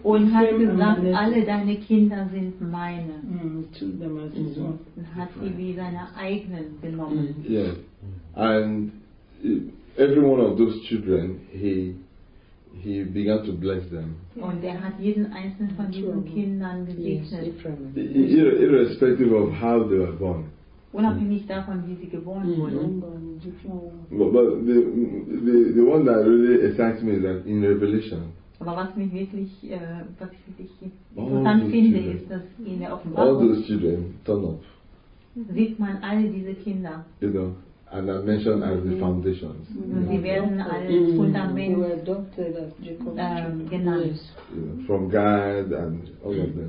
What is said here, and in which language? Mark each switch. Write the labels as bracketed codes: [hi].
[de] und hat gesagt, alle deine Kinder sind meine. [en] Took them as his own. [de] Hat sie wie seine eigenen genommen. Yeah. [en] And every one of those children, he began to bless them. [de] Und hat jeden einzelnen von diesen Kindern gesegnet. [en] Yes, different. Irrespective of how they were born. [de] Unabhängig davon, wie sie geboren wurden. [en] But the one that really excites me is that in Revelation. [de] Aber was mich wirklich interessant finde, ist, dass in der Offenbarung [en] all those children turn up. [de] Sieht man alle diese Kinder. [en] You know, and are mentioned as the foundations. [de] Mm-hmm. Sie werden als Fundament genannt. [en] You know, from God and all of them.